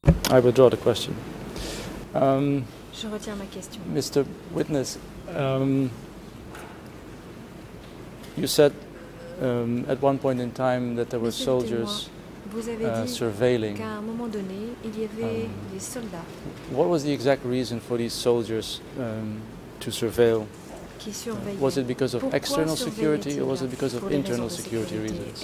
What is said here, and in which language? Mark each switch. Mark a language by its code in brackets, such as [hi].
[en] I withdraw the question. [fr] Je retiens ma question. [en] Mr. Witness, you said at one point in time that there were soldiers surveilling. [fr] Qu'à un moment donné, il y avait des soldats. [en] What was the exact reason for these soldiers to surveil? [fr] Qui surveillaient. [en] Was it because of [fr] Pourquoi [en] external security or was it because of internal security reasons?